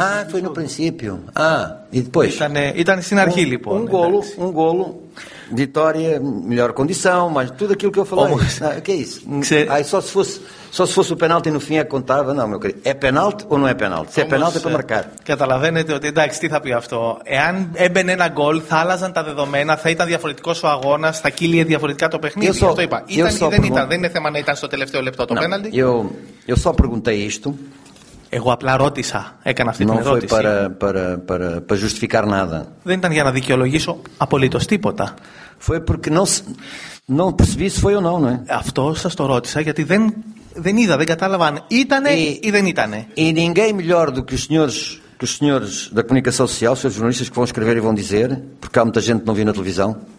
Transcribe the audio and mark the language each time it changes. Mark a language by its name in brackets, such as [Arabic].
[Portuguese] Ah, foi no princípio. Ah, e depois? [Greek] Ήτανε στην αρχή, λοιπόν. [Portuguese] Um golo. Vitória, melhor condição, mas tudo aquilo que eu falei. Oh, ah, que é isso? Aí só se fosse o penalti no fim é que contava. Não, meu querido. É penalti ou não é penalti? Se é penalti, é para marcar. [Greek] Καταλαβαίνετε ότι εντάξει, τι θα πει αυτό. Εάν έμπαινε ένα γκολ, θα άλλαζαν τα δεδομένα, θα ήταν διαφορετικός ο αγώνας, θα κύλιε διαφορετικά το παιχνίδι. Αυτό είπα. Δεν είναι θέμα να ήταν στο τελευταίο λεπτό το penalti. [Portuguese] Eu só perguntei isto. [Greek] Εγώ απλά ρώτησα, έκανα αυτή την ερώτηση. [Portuguese] Para justificar nada. [Greek] Δεν ήταν για να δικαιολογήσω απολύτως τίποτα. [Portuguese] Foi porque não percebi se foi ou não, né? [Greek] Αυτό σας το ρώτησα γιατί δεν είδα, δεν κατάλαβα αν ήταν ή δεν ήταν. [Portuguese] E ninguém melhor do que os senhores da comunicação social, os jornalistas que vão escrever e vão dizer, porque há muita gente que não viu na televisão.